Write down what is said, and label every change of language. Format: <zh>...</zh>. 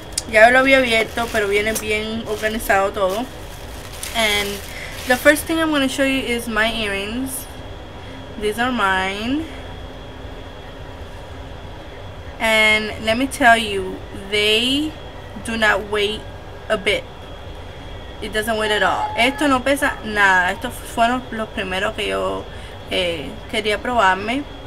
<es>Ya lo había abierto, pero viene bien organizado todo.</es> <en>And the first thing I'm going to show you is my earrings. These are mine, and let me tell you, they do not weigh a bit. It doesn't weigh at all.</en> <es>Esto no pesa nada. Estos fueron los primeros que yo quería probarme.</es>